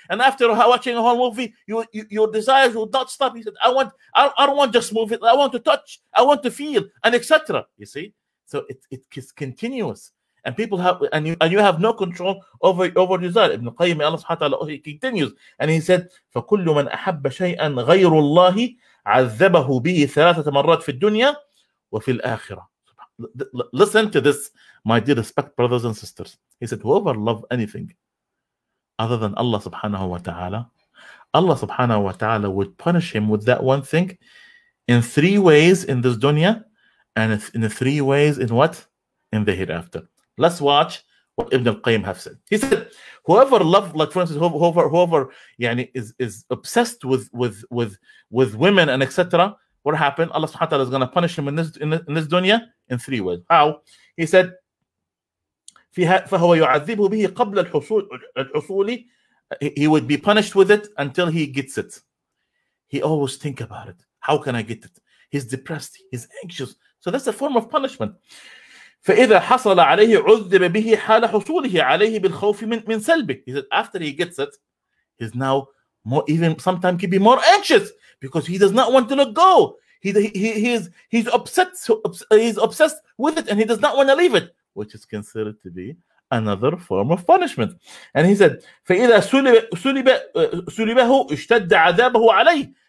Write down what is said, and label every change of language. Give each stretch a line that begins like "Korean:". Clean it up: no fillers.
English: And after watching a whole movie, your desires will not stop. He said, I don't want just movies. I want to touch. I want to feel. And etc. You see? So it is continuous, and people have and you have no control over your desire. Ibn Qayyim, may Allah subhanahu wa ta'ala, he continues, and he said,
Arabic: فَكُلُّ مَنْ أَحَبَّ شَيْئًا غَيْرُ اللَّهِ عَذَّبَهُ بِهِ ثَلَاثَةَ مَرَّاتٍ فِي الدُّنْيَا وَفِي الْآخِرَةِ.
English: Listen to this, my dear respect brothers and sisters. He said, whoever loved anything other than Allah subhanahu wa ta'ala, Allah subhanahu wa ta'ala would punish him with that one thing in three ways in this dunya, and it's in the three ways in what? In the hereafter. Let's watch what Ibn al-Qayyim have said. He said, whoever loved, like for instance, whoever is obsessed with women and etc., what happened? Allah subhanahu wa ta'ala is gonna punish him in this dunya in three ways. How? He said,
Arabic: فَهُوَ يُعَذِّبُ بِهِ قَبْلَ الْحُصُولِ.
English: He would be punished with it until he gets it. He always think about it. How can I get it? He's depressed, he's anxious. So that's a form of punishment.
Arabic: فإذا حصل عليه عذب به حال حصوله عليه بالخوف من سلبه.
English: He said after he gets it, he's now more, even sometimes can be more anxious because he does not want to let go. He's obsessed with it and he does not want to leave it, which is considered to be another form of punishment. And he said,
Arabic: فإذا سلبه اشتد عذابه عليه.